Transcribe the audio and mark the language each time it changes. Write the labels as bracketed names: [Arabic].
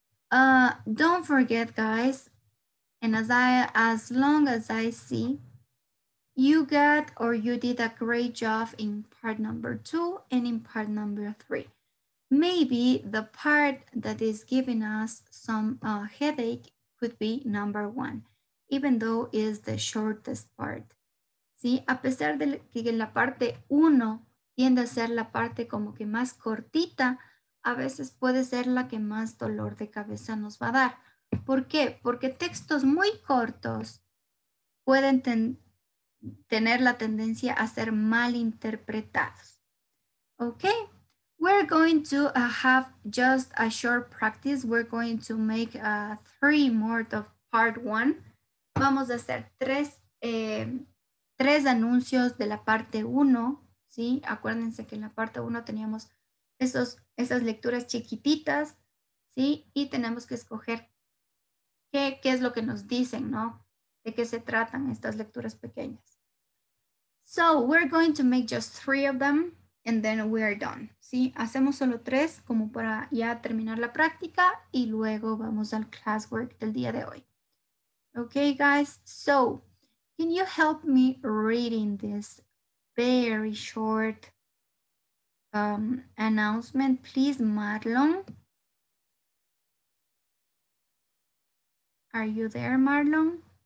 [English] Don't forget, guys, and as long as I see, you got or you did a great job in part number 2 and in part number 3. Maybe the part that is giving us some headache could be number 1, even though it's the shortest part. [Spanish] ¿Sí? A pesar de que en la parte 1 tiende a ser la parte como que más cortita, a veces puede ser la que más dolor de cabeza nos va a dar. ¿Por qué? Porque textos muy cortos pueden tener la tendencia a ser mal interpretados. [English] Ok, we're going to have just a short practice. We're going to make 3 more of part 1. [Spanish] Vamos a hacer 3 3 anuncios de la parte 1, ¿sí? Acuérdense que en la parte 1 teníamos esas lecturas chiquititas, ¿sí? Y tenemos que escoger qué es lo que nos dicen, ¿no? De qué se tratan estas lecturas pequeñas. [English] So, we're going to make just 3 of them. and then we are done. [Spanish] ¿Sí? Hacemos solo tres como para ya terminar la práctica y luego vamos al classwork del día de hoy. [English] Okay, guys, so can you help me reading this very short announcement, please, Marlon? Are you there, Marlon?